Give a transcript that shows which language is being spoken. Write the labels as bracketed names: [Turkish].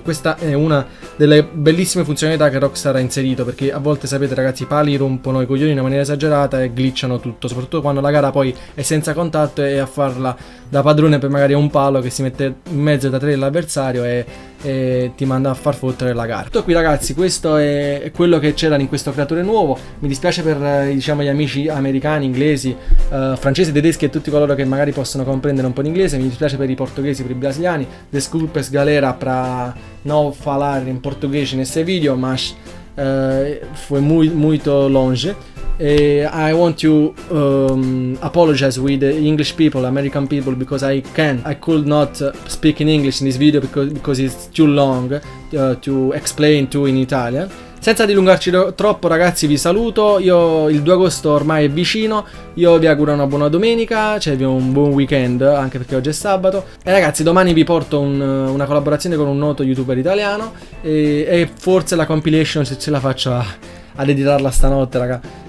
[Italian] Questa è una delle bellissime funzionalità che Rockstar ha inserito, perché a volte, sapete ragazzi, i pali rompono i coglioni in una maniera esagerata e glitchano tutto, soprattutto quando la gara poi è senza contatto e a farla da padrone per magari un palo che si mette in mezzo da tre l'avversario e ti manda a far fottere la gara. Tutto qui ragazzi, questo è quello che c'era in questo creatore nuovo. Mi dispiace per, diciamo, gli amici americani, inglesi, francesi, tedeschi e tutti coloro che magari possono comprendere un po' l'inglese. Mi dispiace per i portoghesi, per i brasiliani. [Portuguese] Desculpes galera pra no falar [Italian] in portoghese in questo video, ma [Portuguese] foi muito longe. [English] I want to apologize with the English people, American people, because I could not speak in English in this video because it's too long to explain to in Italian. [Italian] Senza dilungarci troppo ragazzi, vi saluto, io il 2 agosto ormai è vicino, io vi auguro una buona domenica, cioè vi un buon weekend, anche perché oggi è sabato, e ragazzi domani vi porto una collaborazione con un noto youtuber italiano e forse la compilation, se ce la faccio ad editarla stanotte, raga.